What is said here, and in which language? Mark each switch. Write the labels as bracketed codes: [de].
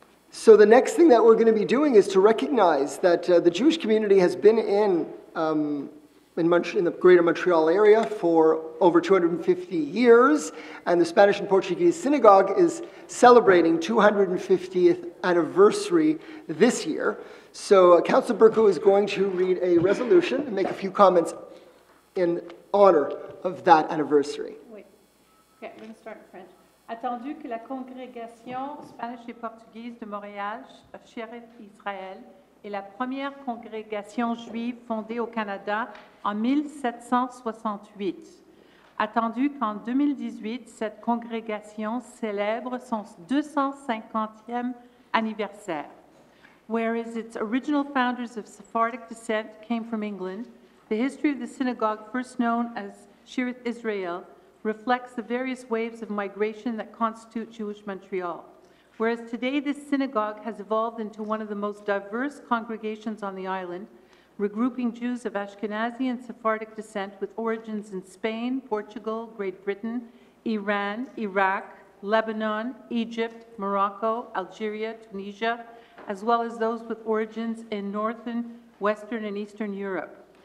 [en] So the next thing that we're going to be doing is to recognize that the Jewish community has been in the greater Montreal area for over 250 years, and the Spanish and Portuguese synagogue is celebrating 250th anniversary this year. So Councillor Berko is going to read a resolution and make a few comments in honor of that anniversary. Oui. Okay, I'm going to start in French. [fr] Attendu que la congrégation Spanish et Portuguese de Montréal, Chéret Israël, est la première congrégation juive fondée au Canada en 1768. Attendu qu'en 2018, cette congrégation célèbre son 250e anniversaire. [en] Whereas its original founders of Sephardic descent came from England, the history of the synagogue, first known as Shirith Israel, reflects the various waves of migration that constitute Jewish Montreal. Whereas today this synagogue has evolved into one of the most diverse congregations on the island, regrouping Jews of Ashkenazi and Sephardic descent with origins in Spain, Portugal, Great Britain, Iran, Iraq, Lebanon, Egypt, Morocco, Algeria, Tunisia, as well as those with origins in Northern, Western, and Eastern Europe.